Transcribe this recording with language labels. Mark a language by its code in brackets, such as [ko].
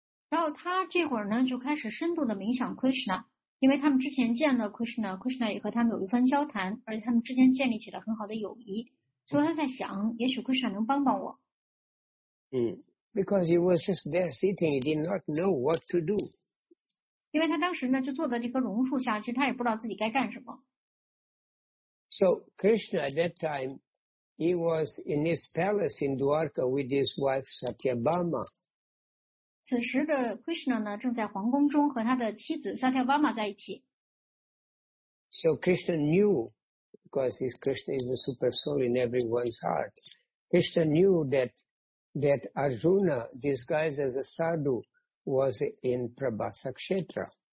[zh] 然后他这会儿呢就开始深度的冥想 Krishna。因为他们之前见了 Krishna, Krishna 也和他们有一番交谈，而且他们之间建立起了很好的友谊，所以他在想，也许 Krishna 能帮帮我。 [en] Because he was just there sitting, he did not know what to do. [zh] 因为他当时呢就坐在这棵榕树下，其实他也不知道自己该干什么。 [en] So Krishna at that time, he was in his palace in Dwarka with his wife Satyabhama. [zh] 此时的 Krishna 呢正在皇宫中和他的妻子 Satyabhama 在一起。 [en] So Krishna knew, because his Krishna is the super soul in everyone's heart, Krishna knew that Arjuna, disguised as a sadhu, was in Prabhasa Kshetra.